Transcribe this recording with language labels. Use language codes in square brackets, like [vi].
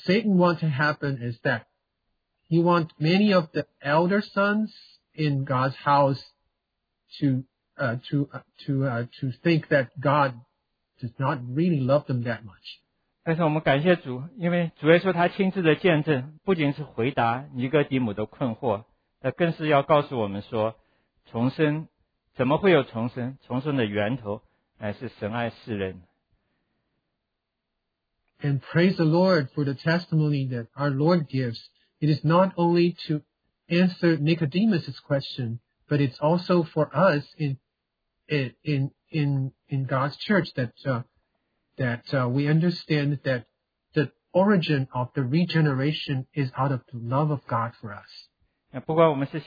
[en] Satan wants to happen is that he wants many of the elder sons in God's house to think that God does not really love them that much. [zh] 但是我们感谢主，因为主耶稣他亲自的见证，不仅是回答尼哥底母的困惑，那更是要告诉我们说，重生怎么会有重生？重生的源头乃是神爱世人。 [en] And praise the Lord for the testimony that our Lord gives. It is not only to answer Nicodemus's question, but it's also for us in God's church that we understand that the origin of the regeneration is out of the love of God for us.